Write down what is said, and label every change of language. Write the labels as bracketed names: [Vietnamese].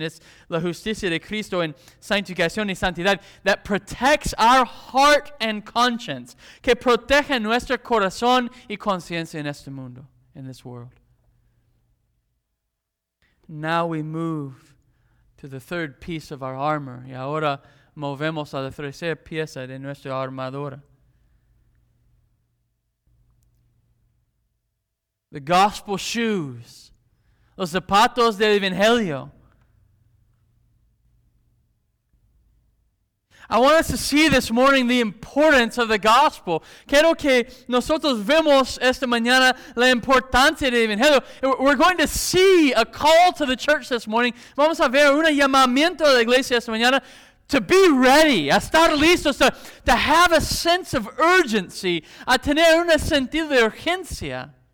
[Spanish] It's la justicia de Cristo en sanctificación y santidad [English] that protects our heart and conscience. [Spanish] Que protege nuestro corazón y conciencia en este mundo, [English] in this world. Now we move to the third piece of our armor. [Spanish] Y ahora movemos a la tercera pieza de nuestra armadura. [English] The gospel shoes. [Spanish] Los zapatos del Evangelio. [English] I want us to see this morning the importance of the gospel. [Spanish] Quiero que nosotros vemos esta mañana la importancia del Evangelio. [English] We're going to see a call to the church this morning. [Spanish] Vamos a ver un llamamiento a la iglesia esta mañana [English] to be ready, [Spanish] a estar listos, [English] to have a sense of urgency, [Spanish] a tener un sentido de urgencia.